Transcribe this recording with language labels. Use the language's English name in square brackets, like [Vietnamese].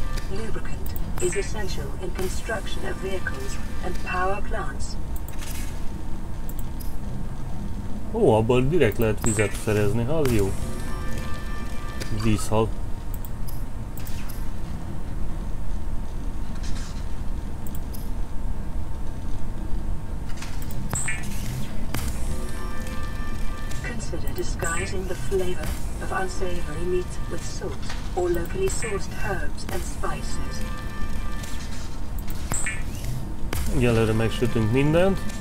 [English] Lubricant is essential in construction of vehicles and power plants. [Hungarian] Ó, abból direkt lehet vizet szerezni, ha az jó. Vízhal. [English] Consider disguising the flavor of unsavory meat with salt or locally sourced herbs and spices. [Hungarian] Egyelőre megsütünk mindent.